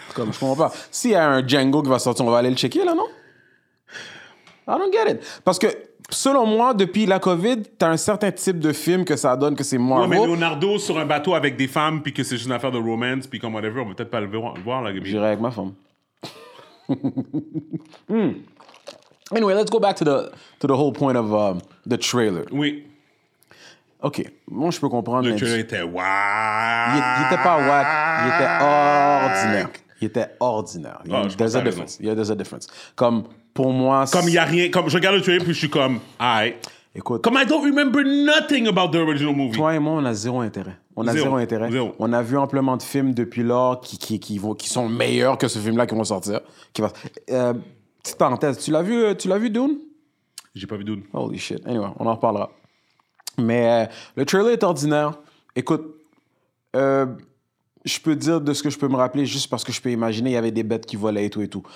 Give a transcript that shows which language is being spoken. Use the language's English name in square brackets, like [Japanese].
[French] Comme, je comprends pas. S'il y a un Django qui va sortir, on va aller le checker, là, non? [English] I don't get it. [French] Parce que, selon moi, depuis la COVID, t'as un certain type de film que ça donne que c'est Marvel. Ouais, mais Leonardo sur un bateau avec des femmes, puis que c'est juste une affaire de romance, puis comme whatever, on va peut-être pas le voir, là. J'irai avec ma femme. [English] Anyway, let's go back to the whole point of the trailer. [French] Oui. OK. Moi, je peux comprendre. Le trailer était wack. Il était pas wack. Il était ordinaire. Il était ordinaire. [English] There's a difference. Yeah, there's a difference. [French] Comme, pour moi... Comme, il y a rien... Comme, je regarde le trailer, puis je suis comme, aïe. Écoute... [English] Comme, I don't remember nothing about the original movie. [French] Toi et moi, on a zéro intérêt. On a zéro intérêt. Zéro. On a vu amplement de films depuis lors qui sont meilleurs que ce film-là qui vont sortir. Qui va... Petite parenthèse, tu l'as vu Dune? J'ai pas vu Dune. [English] Holy shit. Anyway, [French] on en reparlera. Mais le trailer est ordinaire. Écoute, je peux dire de ce que je peux me rappeler juste parce que je peux imaginer il y avait des bêtes qui volaient et tout et tout.